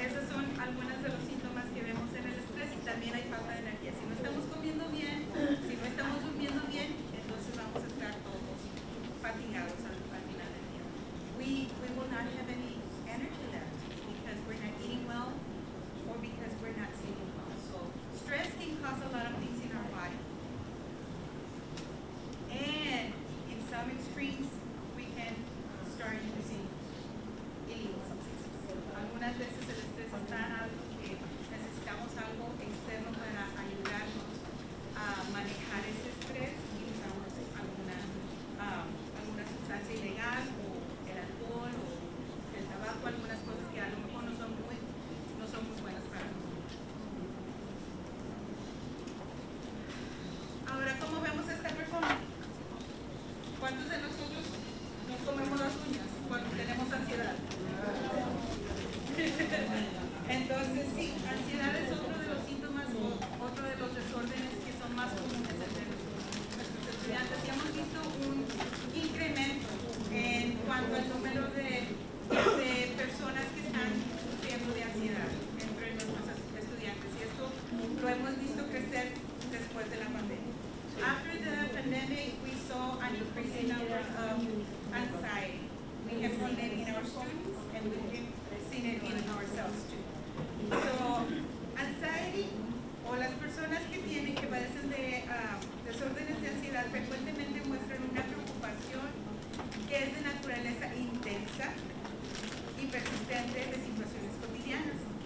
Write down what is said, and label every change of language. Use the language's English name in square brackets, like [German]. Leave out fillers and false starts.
[Spanish] Esos son algunos de los síntomas que vemos en el estrés y también hay falta de energía. Si no estamos comiendo bien, si no estamos durmiendo bien, entonces vamos a estar todos fatigados al final del día. [English] We will not have any energy left because we're not eating well or because we're not sleeping well. So stress can cause a lot of things in our body. And in some extremes, we can start using illegal substances. [Spanish] Algunas veces el estrés es tan alto que necesitamos algo externo para ayudarnos a manejar ese estrés y usamos alguna sustancia ilegal o el alcohol o el tabaco, algunas cosas que a lo mejor no son muy buenas para nosotros. Ahora, ¿cómo vemos esta persona? ¿Cuántos de nosotros nos comemos las uñas cuando tenemos ansiedad? Entonces, sí, ansiedad es otro de los síntomas, otro de los desórdenes que son más comunes entre nuestros estudiantes. Y hemos visto un incremento en cuanto al número de personas que están sufriendo de ansiedad entre nuestros estudiantes. Y esto lo hemos visto crecer después de la pandemia. [English] After the pandemic, we saw an increasing number of anxiety. We have seen it in our students, and we have seen it in ourselves too. So, anxiety, [Spanish] o las personas que tienen, que padecen de desórdenes de ansiedad, frecuentemente muestran una preocupación que es de naturaleza intensa y persistente de situaciones cotidianas.